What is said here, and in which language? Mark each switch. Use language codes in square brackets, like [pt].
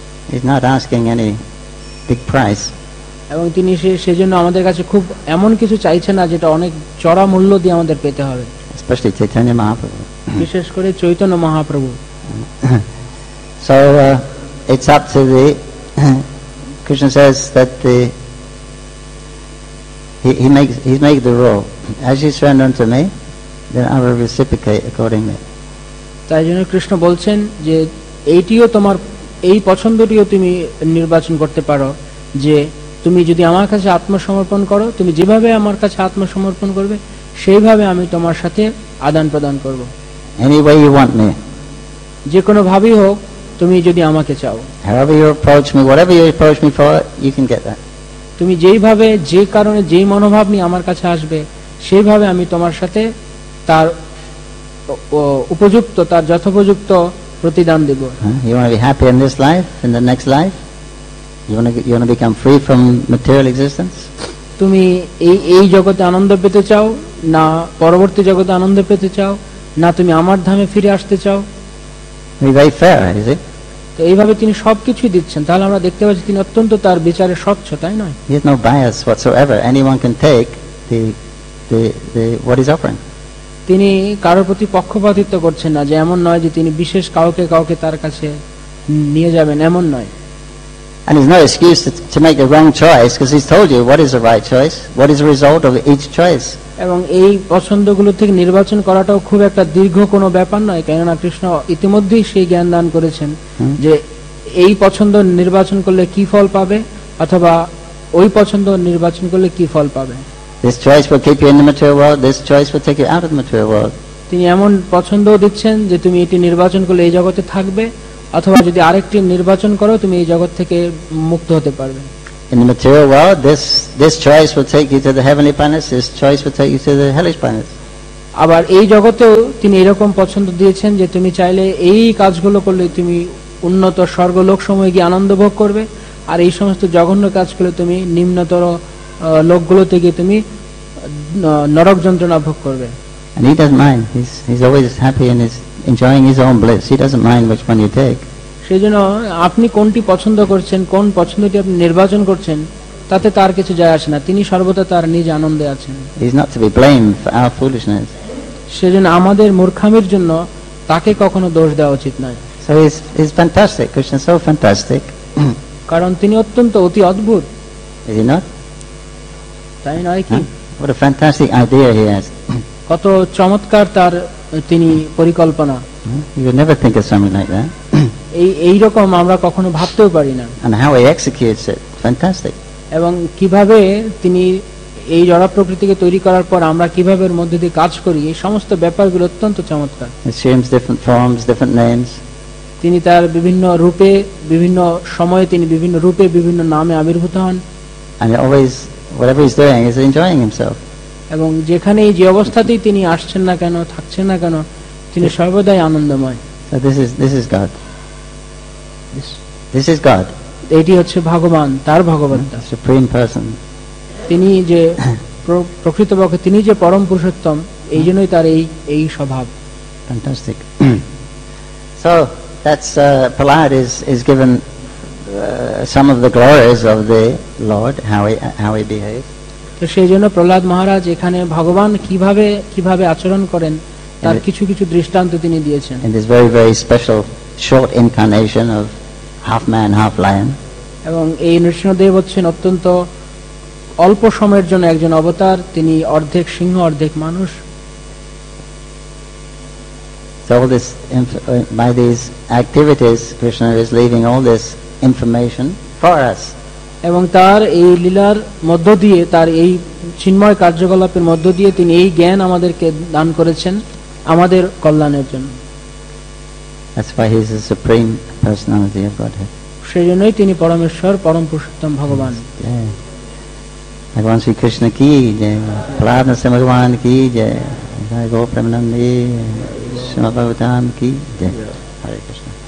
[en] He's not asking any big price. [bn] এবং তিনি সেজন্য আমাদের কাছে খুব এমন কিছু চাইছেন না যেটা অনেক চড়া মূল্য দিয়ে আমাদের পেতে হবে, [en] especially Chaitanya Mahaprabhu. [bn] বিশেষ করে Chaitanya Mahaprabhu. [en] So it's up to the Krishna says that the he makes the rule. As you surrender unto me, then I will reciprocate accordingly. [bn] তাই জন্য কৃষ্ণ বলছেন যে এইটিও তোমার এই পছন্দটিও তুমি নির্বাচন করতে পারো, যে তুমি যদি আমার কাছে আত্মসমর্পণ করো, তুমি যেভাবে আমার কাছে আত্মসমর্পণ করবে সেইভাবে আমি তোমার সাথে আদান প্রদান করবো। [en] Anyway you want me. [bn] যে কোনো ভাবেই হোক তুমি যদি আমাকে চাও, [en] however you approach me, whatever you approach me for, you can get that. [bn] তুমি যেইভাবে, যে কারণে, যেই মনোভাব নিয়ে আমার কাছে আসবে সেইভাবে আমি তোমার সাথে তার উপযুক্ত, তার যথোপযুক্ত প্রতিদান দেব। [en] You want to be happy in this life, in the next life? You want to become free from material existence? [bn] তুমি এই এই জগতে আনন্দ পেতে চাও, না পরবর্তী জগতে আনন্দ পেতে চাও, না তুমি আমার ধামে ফিরে আসতে চাও? [en] He's very fair, is he? [bn] তো এইভাবে তিনি সবকিছু দিচ্ছেন, তাহলে আমরা দেখতে পাচ্ছি তিনি অত্যন্ত তার বিচারে স্বচ্ছ, তাই নয়? [en] He has no bias whatsoever. Anyone can take the what is offering. [bn] তিনি কারোর প্রতি পক্ষপাতিত্ব করছেন না, যে এমন নয় যে তিনি বিশেষ কাউকে কাউকে তার কাছে নিয়ে যাবেন, এমন নয়। [en] And there's no excuse to make a wrong choice, because he's told you what is the right choice, what is the result of each choice. [bn] এবং এই পছন্দগুলো থেকে নির্বাচন করাটাও খুব একটা দীর্ঘ কোনো ব্যাপার নয়, কেননা কৃষ্ণ ইতিমধ্যেই সেই জ্ঞান দান করেছেন যে এই পছন্দ নির্বাচন করলে কি ফল পাবে, অথবা ওই পছন্দ নির্বাচন করলে কি ফল পাবে। [en] This choice will keep you in the material world. This choice will take you out of the material world. [bn] তিনি এমন পছন্দ দিচ্ছেন যে তুমি এটি নির্বাচন করলে এই জগতে থাকবে, অথবা যদি আরেকটি নির্বাচন করো তুমি এই জগৎ থেকে মুক্ত হতে পারবে। [en] In the material world, this choice will take you to the heavenly planets. This choice will take you to the hellish planets. [bn] আবার এই জগতেও তিনি এরকম পছন্দ দিয়েছেন যে তুমি চাইলে এই কাজগুলো করলে তুমি উন্নত স্বর্গলোক সময়ে গিয়ে আনন্দ ভোগ করবে, আর এই সমস্ত জঘন্য কাজ করলে তুমি নিম্নতর লোকগুলো থেকে তুমি নরক যন্ত্রণা ভোগ করবে। [en] And he doesn't mind. He's always happy and is enjoying his own bliss. He doesn't mind which one you take. [bn] সেজন্য আপনি কোনটি পছন্দ করছেন, কোন পছন্দটি আপনি নির্বাচন করছেন, তাতে তার কিছু যায় আসে না, তিনি সর্বদা তার নিজ আনন্দে আছেন। [en] He's not to be blamed for our foolishness. [bn] সেজন্য আমাদের মূর্খামির জন্য তাকে কখনো দোষ দেওয়া উচিত নয়। [en] So he's fantastic. Krishna is so fantastic. [bn] কারণ তিনি অত্যন্ত অতি অদ্ভুত। [en] Is he not? [bn] তাই নয় কি? [en] What a fantastic idea he has. [bn] কত চমৎকার তার তিনি পরিকল্পনা। [en] You would never think of something like that. [bn] এই রকম আমরা কখনো ভাবতেও পারি না। [en] And how he executes it. Fantastic. [bn] এবং কিভাবে তিনি এই জড় প্রকৃতিকে তৈরি করার পর আমরা কিভাবে এর মধ্যে দিয়ে কাজ করি, এই সমস্ত ব্যাপারগুলো অত্যন্ত চমৎকার। [en] Assumes different forms, different names. [bn] তিনি তার বিভিন্ন রূপে, বিভিন্ন সময়ে তিনি বিভিন্ন রূপে, বিভিন্ন নামে আবির্ভূত হন। [en] And always, whatever he's doing, he's enjoying himself. [bn] এবং যেখানেই, যে অবস্থাতেই তিনি আসছেন না কেন, থাকছেন না কেন, তিনি সর্বদাই আনন্দময়। [en] So this is God. This is God. [bn] এটি হচ্ছে ভগবান, তার ভগবত্তা। [en] Supreme person. [bn] তিনি যে প্রকৃতপক্ষে, তিনি যে পরম পুরুষোত্তম, এই জন্যই তার এই স্বভাব। [en] Fantastic. So that's Prahlad is given some of the glories of the Lord, how he behaves. [bn] তো সেই জন্য প্রহ্লাদ মহারাজ এখানে ভগবান কিভাবে কিভাবে আচরণ করেন তার কিছু কিছু দৃষ্টান্ত তিনি দিয়েছেন। [en] In this very very special short incarnation of half man half lion. [bn] এবং এই নৃসিংহদেব হচ্ছেন অত্যন্ত অল্প সময়ের জন্য একজন অবতার, তিনি অর্ধেক সিংহ অর্ধেক মানুষ। [en] So all this, by these activities, Krishna is leaving all this information for us. [bn] এবং তার এই লীলার মধ্য দিয়ে, তার এই চিন্ময় কার্যকলাপের মধ্য দিয়ে তিনি এই জ্ঞান আমাদেরকে দান করেছেন আমাদের কল্যাণের জন্য। [en] That's why he is the supreme personality of Godhead. [bn] সেজন্যই তিনি পরমেশ্বর, পরম পুরুষোত্তম ভগবান। ভগবান শ্রী কৃষ্ণ কি যে, প্রহ্লাদ নরসিংহ ভগবান কি যে, জয় গো প্রেমানন্দী শ্রীমদ ভাগবতাম কি যে, হরে কৃষ্ণ।